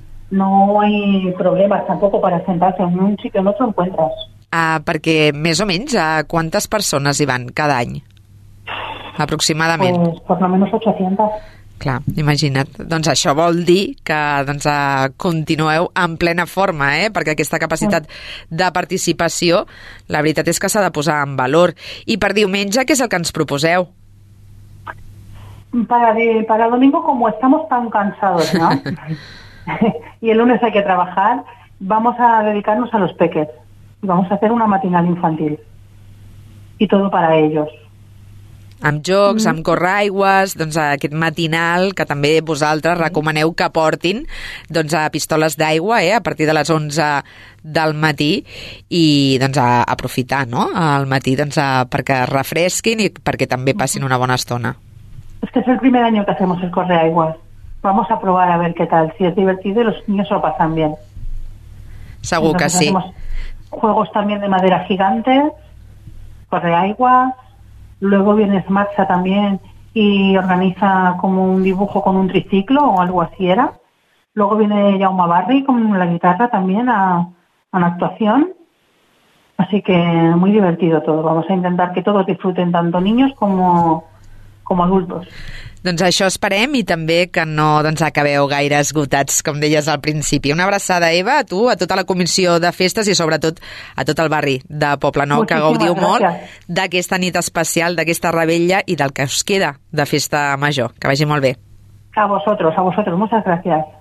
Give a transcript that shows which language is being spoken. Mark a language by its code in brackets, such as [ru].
[es] No hay problemas tampoco para sentarse en un sitio, no te encuentras. [ca] Perquè més o menys a quantes persones hi van cada any? Aproximadament. [es] Pues por lo menos 800. [ca] Clar, imagina't. Doncs això vol dir que doncs, continueu en plena forma, eh? Perquè aquesta capacitat de participació, la veritat és que s'ha de posar en valor. I per diumenge, què és el que ens proposeu? [es] Para domingo, como estamos tan cansados, ¿no? Y el lunes hay que trabajar, vamos a dedicarnos a los peques. Vamos a hacer una matinal infantil. Y todo para ellos. [ca] Amb jocs, amb corraigües, doncs aquest matinal que també vosaltres recomaneu que portin doncs a pistoles d'aigua, a partir de les 11 del matí i doncs a aprofitar, no? Al matí doncs perquè es refresquin i perquè també passin una bona estona. [es] Es que es el primer any que hacemos el correaigües. Vamos a probar a ver qué tal, si es divertido y los niños lo pasan bien. Segur que sí. Juegos también de madera gigante, corre agua, luego viene Smartsa también y organiza como un dibujo con un triciclo o algo así era. Luego viene Jaume Barri con la guitarra también a una actuación. Así que muy divertido todo. Vamos a intentar que todos disfruten, tanto niños como adultos. [ca] Doncs això esperem i també que no doncs, acabeu gaire esgotats, com deies al principi. Una abraçada, Eva, a tu, a tota la comissió de festes i sobretot a tot el barri de Poblenou, que gaudiu molt d'aquesta nit especial, d'aquesta revetlla i del que us queda de festa major. Que vagi molt bé. [es] A vosotros, muchas gracias.